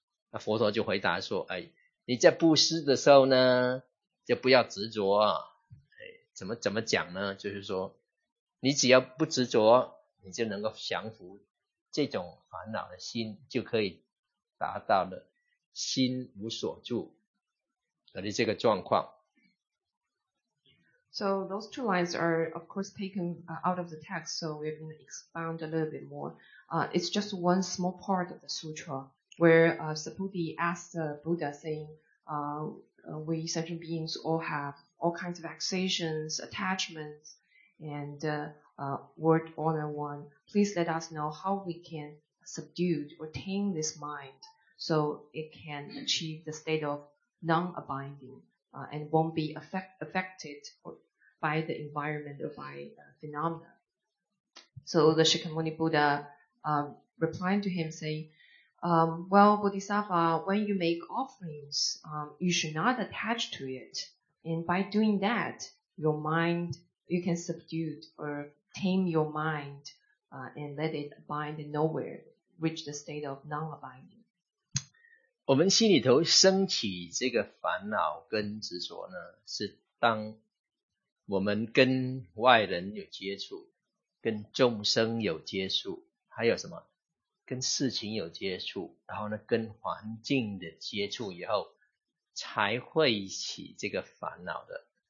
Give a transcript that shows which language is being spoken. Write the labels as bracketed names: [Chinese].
[Chinese] 那佛陀就回答说：你在布施的时候呢，就不要执着。怎么讲呢？就是说，你只要不执着，你就能够降服这种烦恼的心，就可以达到了心无所住的这个状况。 [English] So those two lines are, of course, taken out of the text, so we're going to expound a little bit more. It's just one small part of the sutra, where Sabudhi asked the Buddha, saying, we sentient beings all have all kinds of vexations, attachments, and word honor one. Please let us know how we can subdue or tame this mind, so it can achieve the state of non-abiding, and won't be affected by the environment or by phenomena. So the Shakyamuni Buddha replied to him saying, well, Bodhisattva, when you make offerings, you should not attach to it. And by doing that, your mind, you can subdue or tame your mind and let it abide nowhere, reach the state of non-abiding. [Chinese] 我们心里头升起这个烦恼跟执着呢，是当我们跟外人有接触，跟众生有接触，还有什么？跟事情有接触，然后呢，跟环境的接触以后，才会起这个烦恼的。